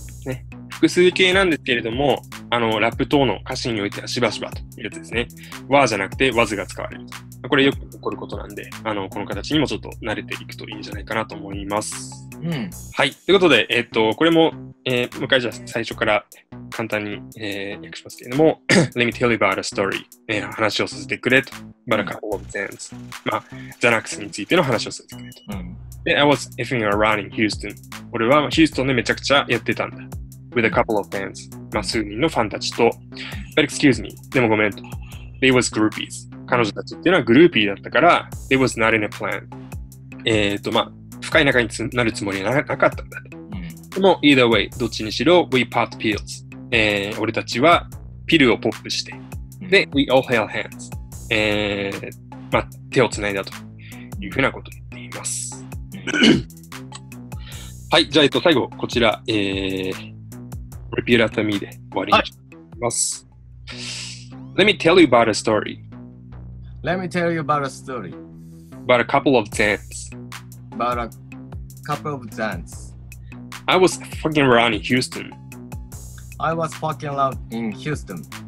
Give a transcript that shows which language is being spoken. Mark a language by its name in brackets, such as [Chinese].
[Japanese] ね、複数形なんですけれども、あのラップ等の歌詞においてはしばしばというやつですね、和じゃなくて和図が使われる、これよく起こることなんで、あのこの形にもちょっと慣れていくといいんじゃないかなと思います。うん、はい、ということで、これも、向井じゃ最初から簡単に、訳しますけれども [English] Let me tell you about a story、 [Japanese] 話をさせてくれと、バラカオブゼンズ、まあザナックスについての話をさせてくれと、うん、 [English] で、I was effing around in Houston。 [Japanese] 俺はヒューストンでめちゃくちゃやってたんだ。 [English] With a couple of fans、 [Japanese] まあ数人のファンたちと。 [English] But excuse me、 [Japanese] でもごめんと。 [English] They was groupies、 [Japanese] 彼女たちっていうのはグルーピーだったから。 [English] They was not in a plan、 [Japanese] まあ深い仲になるつもりはなかったんだ。でも [English] either way、 [Japanese] どっちにしろ [English] We popped pills、 [Japanese] 俺たちはピルをポップして。で、 [English] We all held hands、 [Japanese] まあ手をつないだというふうなことを言っています。はい、じゃあ最後こちら、 [English] Repeat after me [Japanese] で終わりにします、はい、 [English] Let me tell you about a story. Let me tell you about a story. About a couple of dance. About a couple of dance. I was fucking around in Houston. I was fucking around in Houston.